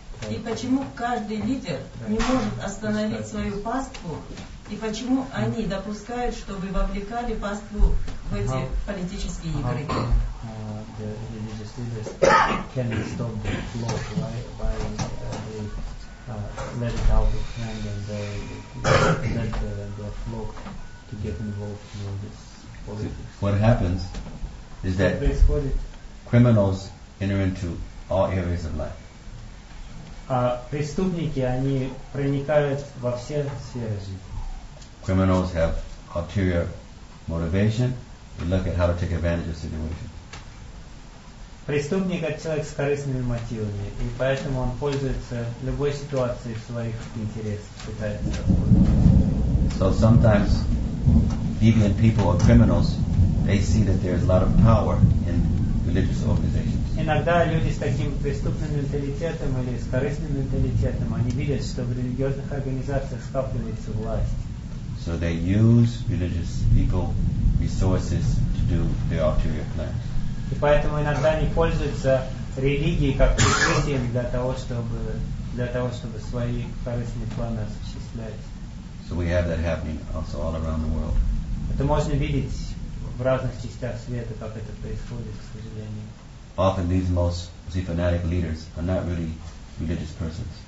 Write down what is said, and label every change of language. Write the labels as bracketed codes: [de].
[ru] И почему каждый лидер не может остановить свою паству, и почему они допускают, чтобы вовлекали паству в эти политические игры? [en] The religious leaders can stop the flow by they let it out of hand and they let the flow to get involved in all this politics. What happens is that criminals enter into all areas of life. [ru] А преступники, они проникают во все сферы жизни. [en] Criminals have ulterior motivation. They look at how to take advantage of situation. [ru] Преступник — это человек с корыстными мотивами, и поэтому он пользуется любой ситуацией в своих интересах, пытается. [en] So sometimes deviant people or criminals, they see that there is a lot of power in religious organizations. [ru] Иногда люди с таким преступным менталитетом или с корыстным менталитетом, они видят, что в религиозных организациях скапливается власть. [en] So they use religious people resources to do their ulterior plans. [ru] И поэтому иногда они пользуются религией как прикрытием для того, чтобы свои корыстные планы осуществлять. [en] So we have that happening also all around the world. [ru] Это можно видеть в разных частях света, как это происходит, к сожалению. [en] Often these most fanatic leaders are not really religious persons.